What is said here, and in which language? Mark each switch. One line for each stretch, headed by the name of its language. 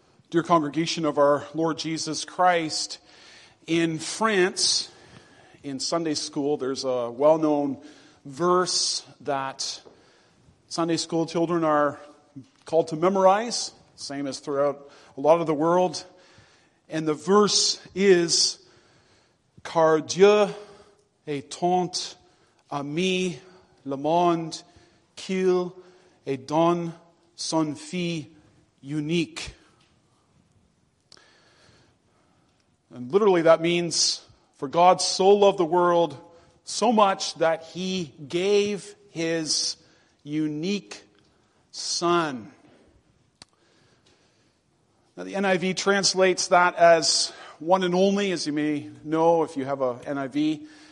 English: Dear congregation of our Lord Jesus Christ, in France, in Sunday school, there's a well-known verse that Sunday school children are called to memorize, same as throughout a lot of the world. And the verse is,
French: car Dieu a tant aimé le monde qu'il a donné son fils unique.
English: And literally that means, for God so loved the world so much that he gave his unique son. Now, the NIV translates that as one and only, as you may know if you have a NIV.